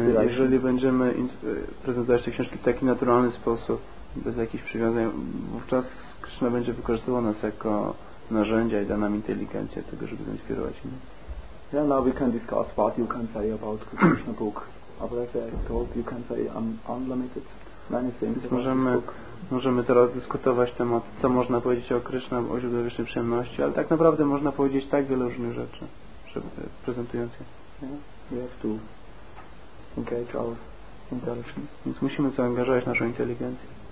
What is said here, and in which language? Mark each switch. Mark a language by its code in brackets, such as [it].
[pl] Jeżeli będziemy prezentować te książki w taki naturalny sposób, bez jakichś przywiązań, wówczas Krishna będzie wykorzystywał nas jako narzędzia i da nam inteligencję tego, żeby zainspirować innych. [en] Yeah, now we can discuss what you can say about Krishna book. But as I told, you can say unlimited many things. [pl] Możemy teraz dyskutować temat, co można powiedzieć o Krishna, o źródle wiecznej przyjemności, ale tak naprawdę można powiedzieć tak wiele różnych rzeczy, prezentując je. [en] Yeah, we have to engage our intelligence. [pl] Więc musimy zaangażować naszą inteligencję.